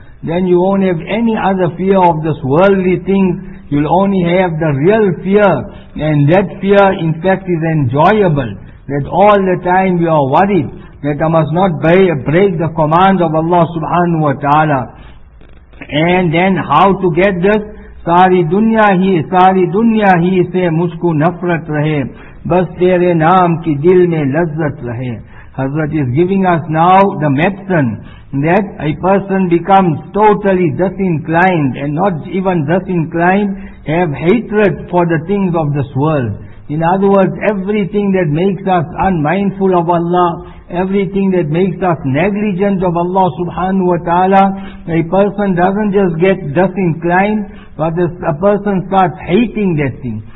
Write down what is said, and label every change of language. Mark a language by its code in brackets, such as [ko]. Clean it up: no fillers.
[en] Then you won't have any other fear of this worldly thing. You'll only have the real fear, and that fear in fact is enjoyable, that all the time we are worried that I must not break the command of Allah Subhanahu Wa Ta'ala. And then how to get this? [ur] ساری دنیا ہی ساری دنیا ہی سے مجھ کو نفرت رہے بس تیرے نام کی دل میں لذت رہے. [en] Hazrat is giving us now the medicine that a person becomes totally disinclined and not even disinclined, have hatred for the things of this world. In other words, everything that makes us unmindful of Allah, everything that makes us negligent of Allah subhanahu wa ta'ala, a person doesn't just get disinclined, but a person starts hating that thing.